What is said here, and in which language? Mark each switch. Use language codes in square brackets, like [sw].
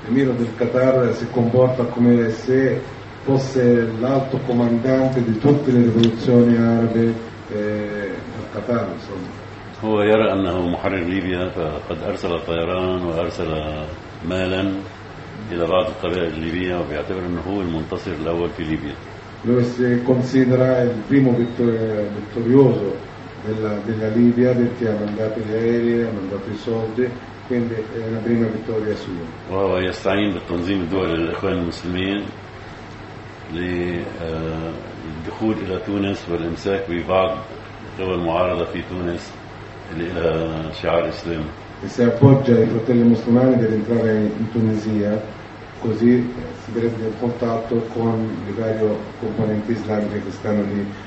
[it] الأمير del Qatar si comporta come se fosse l'alto comandante di tutte le rivoluzioni arabe al Qatar. [ar] هو يرى أنه محرر ليبيا فقد أرسل طيران وأرسل مالا إلى بعض القبائل الليبية وبيعتبر أنه هو المنتصر الأول في ليبيا. [it] Lui si considera il primo vittorioso della Libia perché ha mandato gli aerei, ha mandato i soldi, quindi è la prima vittoria sua. [ar] وهو يستعين بالتنظيم الدولي للإخوان المسلمين للدخول إلى تونس والإمساك ببعض قوى المعارضة في تونس اللي لها شعار إسلام. [it] E si appoggia ai fratelli musulmani per entrare in Tunisia, così si prende in contatto con le varie componenti islamiche che stanno lì.